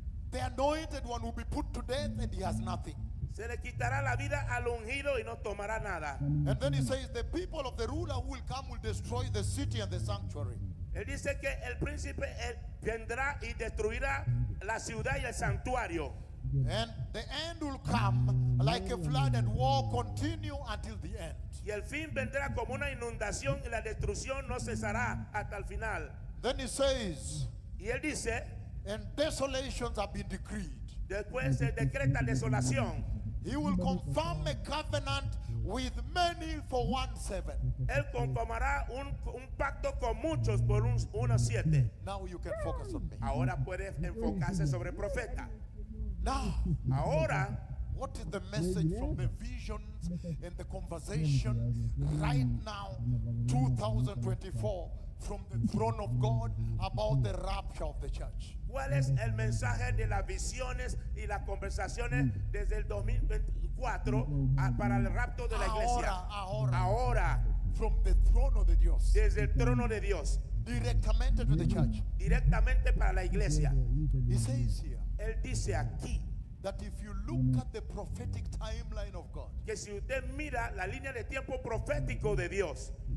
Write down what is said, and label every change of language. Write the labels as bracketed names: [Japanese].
[English] The anointed one will be put to death and he has nothing. [Spanish] Se le quitará la vida al ungido y no tomará nada. [English] And then he says, the people of the ruler who will come will destroy the city and the sanctuary. [Spanish] Él dice que el príncipe vendrá y destruirá la ciudad y el santuario. [English] And the end will come like a flood and war continue until the end. [Spanish] Y el fin vendrá como una inundación y la destrucción no cesará hasta el final. [English] Then he says, [Spanish] y él dice, [English] and desolations have been decreed. [Spanish] Después se decreta desolación. [English] He will confirm a covenant with many for 1 7. [Spanish] Él confirmará un pacto con muchos por unos 7. [English] Now you can focus on me. [Spanish] Ahora puede enfocarse sobre el profeta. [English] Now, [Spanish] ahora, [English] what is the message from the visions and the conversation right now, 2024? From the throne of God about the rapture of the church. [Spanish] ¿Cuál es el mensaje de las visiones y las conversaciones desde el 2024 para el rapto de la iglesia? Ahora, [English] from the throne of the Dios. [Spanish] Desde el trono de Dios. [English] Directamente to the church. [Spanish] Directamente para la iglesia. [English] He says here. [Spanish] Él dice aquí. [English] That if you look at the prophetic timeline of God. [Spanish] Que si usted mira la línea de tiempo profético de Dios.